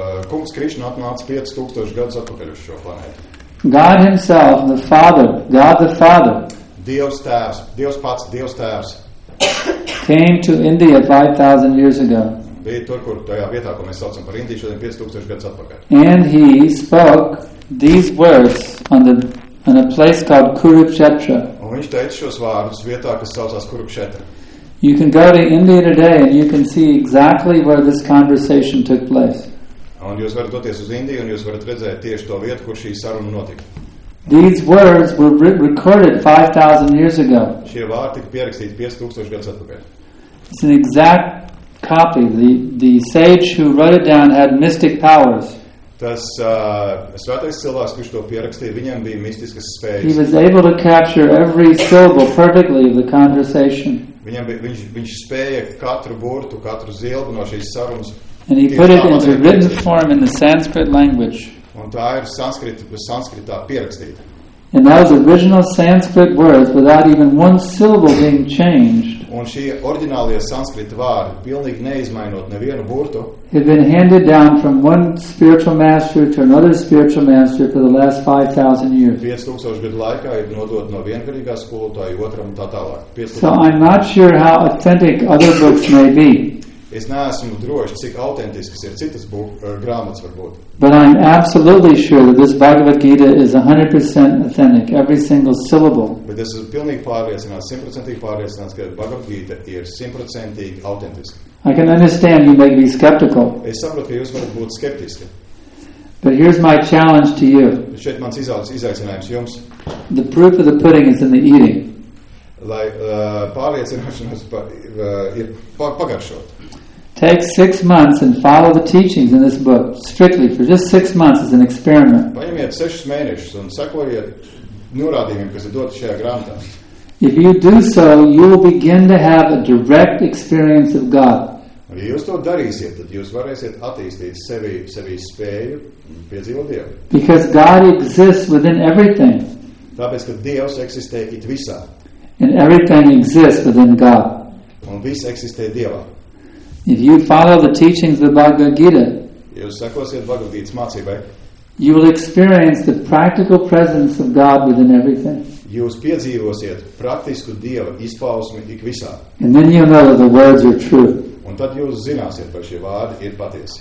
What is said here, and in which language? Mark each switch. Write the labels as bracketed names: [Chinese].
[Latvian] Kungs Krishna atnāca 5,000 gadus atpakaļ uz šo planētu. [English] God himself, the Father, God the Father, [Latvian] Dievs tēvs, Dievs pats, Dievs tēvs, [English] came to India 5,000 years ago. [Latvian] Bija tur, kur tajā vietā, ko mēs saucam par Indiju, šodien 5,000 gadus atpakaļ. [English] And he spoke these words on a place called Kurukshetra. [Latvian] Un viņš teica šos vārdus vietā, kas saucās Kurukshetra. [English] You can go to India today and you can see exactly where this conversation took place. [Latvian] Un jūs varat doties uz Indiju un jūs varat redzēt tieši to vietu, kur šī saruna notika. [English] These words were recorded 5,000 years ago. [Latvian] Šie vārdi tika pierakstīti 5,000 gadus atpakaļ. [English] It's an exact copy. The sage who wrote it down had mystic powers. [Latvian] Tas svētais cilvēks, kurš to pierakstīja, viņam bija mistiskas spējas. [English] He was able to capture every syllable perfectly of the conversation. [Latvian] Viņam bija, viņš spēja katru burtu, katru zilbu no šīs sarunas. [English] And he put it into written form in the Sanskrit language. [Latvian] Un tā ir sanskritā pierakstīta. [English] And those original Sanskrit words without even one syllable being changed. [Latvian] Un šie originālie Sanskrit vārdi, pilnīgi neizmainot nevienu burtu. [English] Had been handed down from one spiritual master to another spiritual master for the last 5,000 years. [Latvian] 5,000 gadu laikā ir nodot no vienkārīgā skolotāja otram un tā tālāk. [English] So I'm not sure how authentic other books may be. [Latvian] Es neesmu droši, cik autentiskas ir citas grāmatas varbūt. [English] But I'm absolutely sure that this Bhagavad Gita is 100% authentic, every single syllable. [Latvian] Bet es esmu pilnīgi pārliecināts, 100% pārliecināts, ka Bhagavad Gita ir 100% autentiska. [English] I can understand you may be skeptical. [Latvian] Es saprotu, ka jūs varat būt skeptiski. [English] But here's my challenge to you. [Latvian] Šeit mans izaicinājums jums. [English] The proof of the pudding is in the eating. [Latvian] Lai pārliecināšanos ir pagaršot. [English] Take 6 months and follow the teachings in this book strictly for just 6 months as an experiment. [Latvian] Paņemiet 6 mēnešus un sekojiet norādījumiem, kas ir dots šajā grāmatā. [English] If you do so, you will begin to have a direct experience of God. [Latvian] Ja jūs to darīsiet, tad jūs varēsiet attīstīt sevī spēju piedzīvot Dievu. [English] Because God exists within everything. [Latvian] Tāpēc, ka Dievs eksistē it visā. [English] And everything exists within God. [Latvian] Un viss eksistē Dievā. [English] If you follow the teachings of the Bhagavad Gita, [Latvian] jūs sekosiet Bhagavad Gītas mācībai, [English] you will experience the practical presence of God within everything. [Latvian] Jūs piedzīvosiet praktisku Dieva izpausmi ik visā. [English] And then you know that the words are true. [Latvian] Un tad jūs zināsiet, ka šie vārdi ir patiesi.